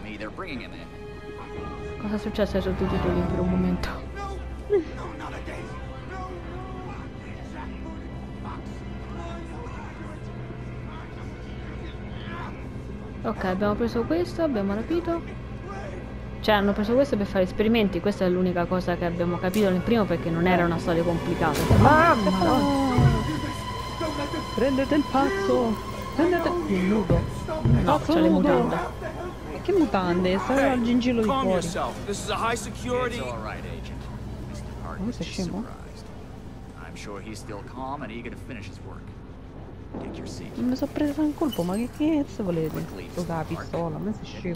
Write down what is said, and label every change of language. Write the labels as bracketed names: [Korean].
[English] Me, they're bringing him in. [Italian] Cosa è successo ai sottotitoli per un momento? Ok, abbiamo preso questo, abbiamo rapito. Cioè, hanno preso questo per fare esperimenti. Questa è l'unica cosa che abbiamo capito nel primo, perché non era una storia complicata. Mamma! Prendete il pazzo! Prendete il nudo! No, c'è le mutande. Che mutande, stai al gingillo di fuori. [English] This is a high security. It's all right, agent. Mr. Park is surprised. I'm sure he's still calm and eager to finish his work. Take your seat. [Italian] Non mi sono preso un colpo, ma che cazzo volete? Ho la pistola, ma sei scemo.